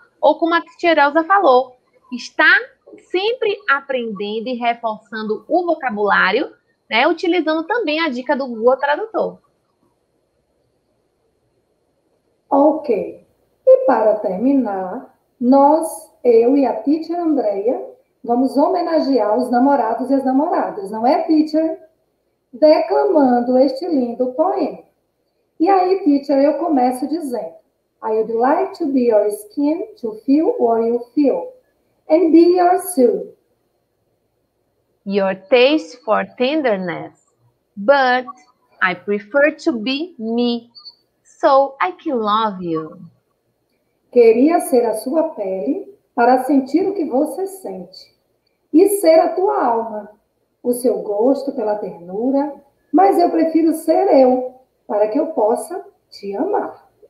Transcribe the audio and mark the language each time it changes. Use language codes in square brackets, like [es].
[pt] Ou como a teacher Elza falou, está sempre aprendendo e reforçando o vocabulário, né, utilizando também a dica do Google Tradutor. Ok. E para terminar, Nós, eu e a teacher Andrea, vamos homenagear os namorados e as namoradas, não é, teacher? Declamando este lindo poema. E aí, teacher, eu começo dizendo: [en] I would like to be your skin to feel what you feel and be your suit. Your taste for tenderness, but I prefer to be me, so I can love you. [pt] Queria ser a sua pele para sentir o que você sente e ser a tua alma, o seu gosto pela ternura, mas eu prefiro ser eu para que eu possa te amar.